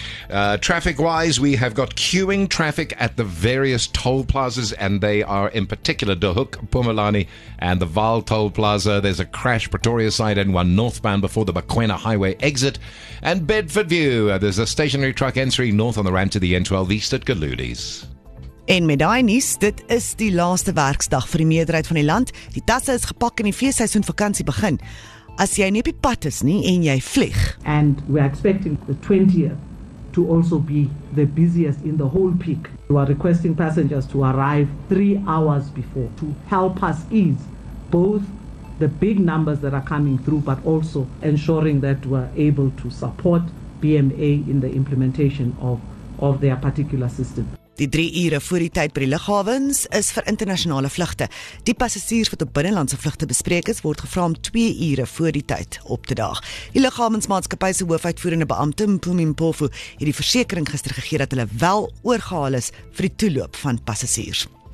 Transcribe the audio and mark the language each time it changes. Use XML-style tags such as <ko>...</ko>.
<en>Traffic-wise, we have got queuing traffic at the various toll plazas and they are in particular De Hoek, Mpumalanga and the Vaal toll plaza. There's a crash Pretoria side and one northbound before the Bakwena Highway exit. And Bedford View, there's a stationary truck entering north on the ramp to the N12 east at Galulies.</en> <af>En met daai nuus, dit is die laaste werksdag vir die meerderheid van die land. Die tasse is gepak en die feesseisoen vakansie begin. As jy nie op die pad is nie en jy vlieg.</af> <en>And we're expecting the 20th to also be the busiest in the whole peak. We are requesting passengers to arrive 3 hours before to help us ease both the big numbers that are coming through, but also ensuring that we're able to support BMA in the implementation of their particular system.</en> <af>Die 3 ure voor die tyd by die lughawens is vir internasionale vlugte. Die passasiers wat op binnelandse vlugte bespreek is, word gevra om 2 ure voor die tyd op te daag. Die lughawensmaatskappy se hoofuitvoerende beampte, Mpumi Mpofu, het die versekering gister gegee dat hulle wel oorgehaal is vir die toeloop van passasiers.</af>